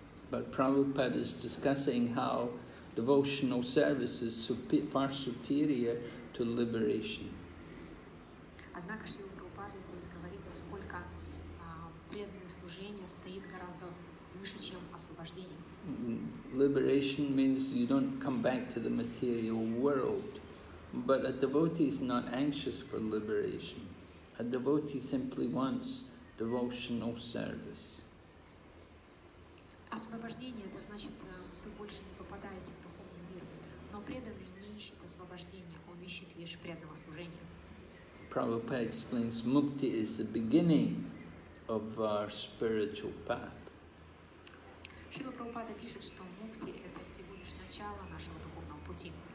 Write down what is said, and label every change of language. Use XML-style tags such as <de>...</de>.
<en>But Prabhupada is discussing how devotional service is far superior to liberation.</en> <ru>Однако Шрила Прабхупада здесь говорит, насколько преданное служение стоит гораздо выше, чем освобождение.</ru> <en>Liberation means you don't come back to the material world. But a devotee is not anxious for liberation. A devotee simply wants devotional service.</en> <ru>Освобождение – это значит, вы больше не попадаете в духовный мир. Но преданный не ищет освобождения, он ищет лишь преданного служения.</ru> <en>Prabhupada explains, mukti is the beginning of our spiritual path.</en> <ru>Шрила Прабхупада пишет, что мукти – это всего лишь начало нашего духовного пути.</ru>